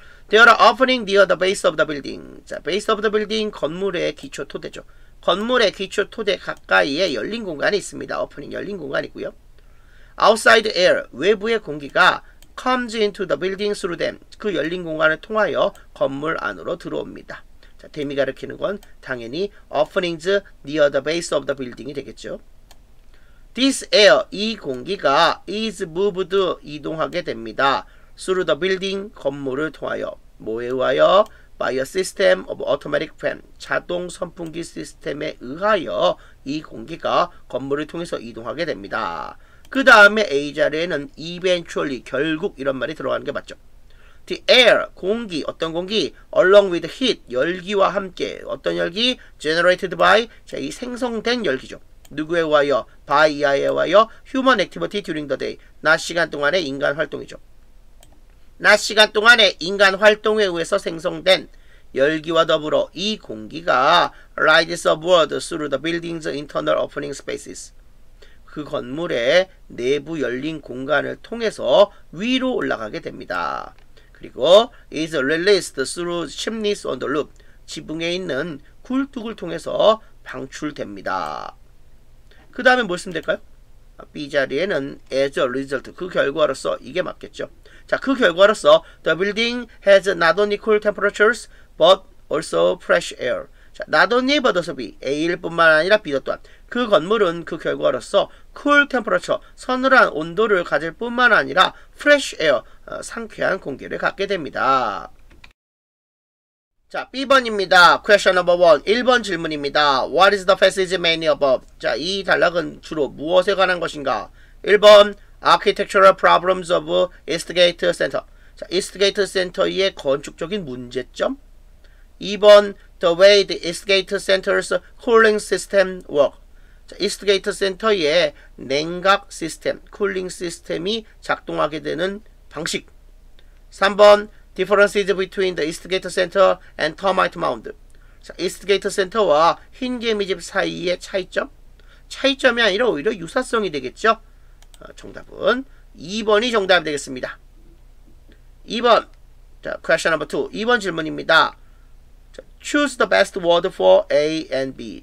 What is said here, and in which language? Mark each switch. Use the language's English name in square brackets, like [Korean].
[English] There are openings near the base of the building. [Korean] 자, [English] base of the building [Korean] 건물의 기초 토대죠. 건물의 기초 토대 가까이에 열린 공간이 있습니다. opening 열린 공간이고요. [English] Outside air [Korean] 외부의 공기가 [English] comes into the building through them. [Korean] 그 열린 공간을 통하여 건물 안으로 들어옵니다. 자, 데미 가리키는 건 당연히 [English] openings near the base of the building [Korean] 이 되겠죠. [English] This air [Korean] 이 공기가 [English] is moved [Korean] 이동하게 됩니다. [English] Through the building, [Korean] 건물을 통하여. 뭐에 의하여? [English] By a system of automatic fan, [Korean] 자동 선풍기 시스템에 의하여 이 공기가 건물을 통해서 이동하게 됩니다. 그 다음에 A 자리에는 eventually, 결국 이런 말이 들어가는 게 맞죠. [English] The air, [Korean] 공기, 어떤 공기? [English] Along with heat, [Korean] 열기와 함께. 어떤 열기? [English] Generated by, [Korean] 자, 이 생성된 열기죠. 누구에 의하여? By 이하에 의하여 [English] human activity during the day, [Korean] 낮 시간 동안의 인간 활동이죠. 낮 시간 동안의 인간 활동에 의해서 생성된 열기와 더불어 이 공기가 [English] rides upward through the building's internal opening spaces. [Korean] 그 건물의 내부 열린 공간을 통해서 위로 올라가게 됩니다. 그리고 [English] is released through chimneys on the roof. [Korean] 지붕에 있는 굴뚝을 통해서 방출됩니다. 그 다음에 뭘 쓰면 될까요? B 자리에는 [English] as a result, [Korean] 그 결과로서 이게 맞겠죠. [English] 자, [Korean] 그 결과로서 [English] the building has not only cool temperatures but also fresh air. 자, not only but also B. [Korean] A일 뿐만 아니라 B도 또한. 그 건물은 그 결과로서 [English] cool temperature, [Korean] 서늘한 온도를 가질 뿐만 아니라 [English] fresh air, [Korean] 상쾌한 공기를 갖게 됩니다. 자, B번입니다. [English] Question number 1. [Korean] 1번 질문입니다. [English] What is the passage mainly about? [Korean] 자, 이 단락은 주로 무엇에 관한 것인가? [English] 1번. Architectural problems of Eastgate Center. [Korean] 자, Eastgate Center의 건축적인 문제점. [English] 2번, the way the Eastgate Center's cooling system work. [Korean] 자, Eastgate Center의 냉각 시스템, cooling 시스템이 작동하게 되는 방식. [English] 3번, differences between the Eastgate Center and Termite Mound. [Korean] 자, Eastgate Center와 흰 개미 집 사이의 차이점. 차이점이 아니라 오히려 유사성이 되겠죠. 정답은 2번이 정답이 되겠습니다. [English] 2번. 자, question number 2. [Korean] 2번 질문입니다. [English] 자, choose the best word for A and B.